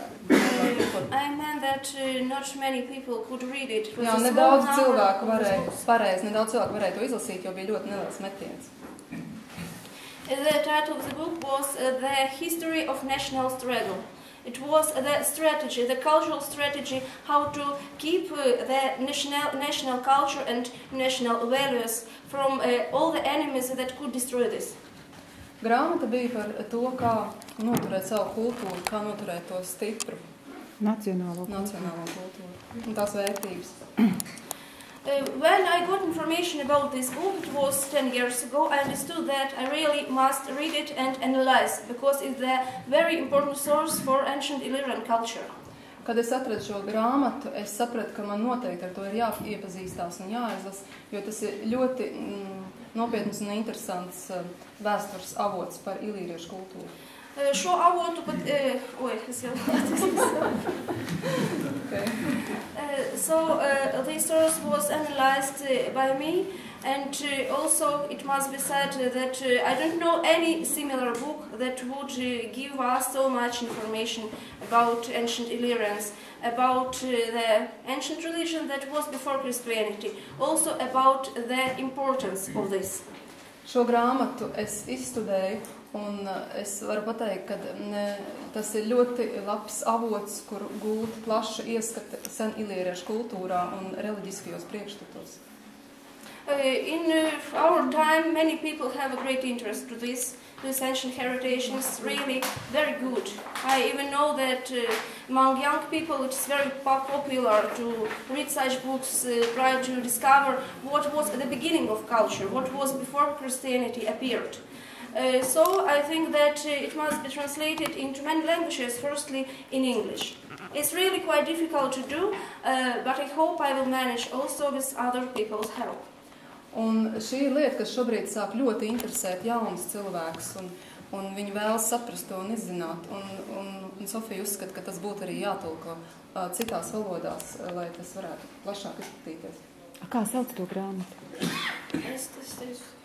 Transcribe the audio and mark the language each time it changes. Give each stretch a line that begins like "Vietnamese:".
English: I meant that not many people could read it.
Latvian: Jā, nedaudz cilvēku varēja, pareizi, nedaudz cilvēku varēja to izlasīt, jo bija ļoti neliels metiens.
English: The title of the book was The History of National Struggle. It was the strategy, the cultural strategy, how to keep the national culture and national values from all the enemies that could destroy this.
Latvian: Grāmata bija par to, kā noturēt savu kultūru, kā noturēt to stipru. Nacionālo kultūru. Un tās vērtības.
English: When I got information about this book, it was 10 years ago, I understood that I really must read it and analyze, because it's a very important source for ancient Illyrian culture.
Latvian: Kad es atradu šo grāmatu, es sapratu, ka man noteikti ar to ir jāiepazīstās un jāizlas, jo tas ir ļoti... nopietnas un interesants vēstures avots par ilīriešu kultūru. Šo avotu pat... es jau tās
English: So, this source was analyzed by me, and also it must be said that I don't know any similar book that would give us so much information about ancient Illyrians, about the ancient religion that was before Christianity, also about the importance of this.
Latvian: Šo grāmatu es izstudēju, un es varu pateikt, ka tas ir ļoti labs avots, kur gūt plaša ieskata sen iliriešu kultūrā un reliģiskajos priekšstatos.
English: In our time, many people have a great interest to this. This ancient heritage is really very good. I even know that among young people it is very popular to read such books, try to discover what was the beginning of culture, what was before Christianity appeared. So I think that it must be translated into many languages, firstly in English. It's really quite difficult to do, but I hope I will manage also with other people's help.
Latvian: Un šī ir lieta, kas šobrīd sāk ļoti interesēt jaunus cilvēkus, un viņi vēlas saprast to un izzināt. Un Sofija uzskata, ka tas būtu arī jātulko citās valodās, lai tas varētu plašāk izskatīties. A kā sauc to grāmatu?